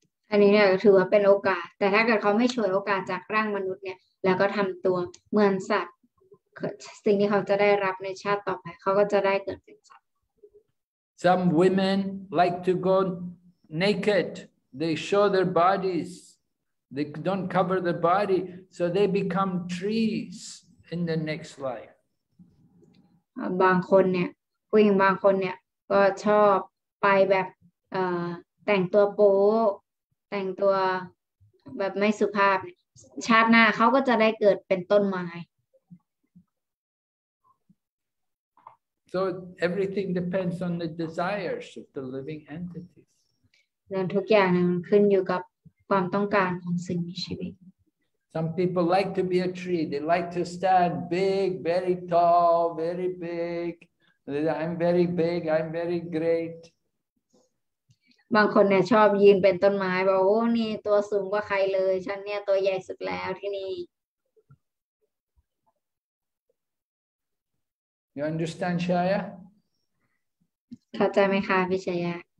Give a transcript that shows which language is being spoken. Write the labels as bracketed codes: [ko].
[th] อันนี้เนี่ยถือว่าเป็นโอกาสแต่ถ้าเกิดเขาไม่ฉวยโอกาสจากร่างมนุษย์เนี่ยแล้วก็ทําตัวเหมือนสัตว์สิ่งที่เขาจะได้รับในชาติต่อไปเขาก็จะได้เกิดเป็นสัตว์ [en] Some women like to go naked they show their bodies they don't cover their body so they become treesIn the next life, [th] บางคนเนี่ยผู้หญิงบางคนเนี่ยก็ชอบไปแบบแต่งตัวโป๊แต่งตัวแบบไม่สุภาพชาติหน้าเขาก็จะได้เกิดเป็นต้นไม้ [en] So everything depends on the desires of the living entities. [th] นั่นทุกอย่างมันขึ้นอยู่กับความต้องการของสิ่งมีชีวิต [en] Some people like to be a tree. They like to stand big, very tall, very big. I'm very big. I'm very great. [th] บางคนเนี่ยชอบยืนเป็นต้นไม้บอกโอ้นี่ตัวสูงกว่าใครเลยฉันเนี่ยตัวใหญ่สุดแล้วที่นี่ [en] You understand, Shaya? [th] เข้าใจไหมคะพี่ชายา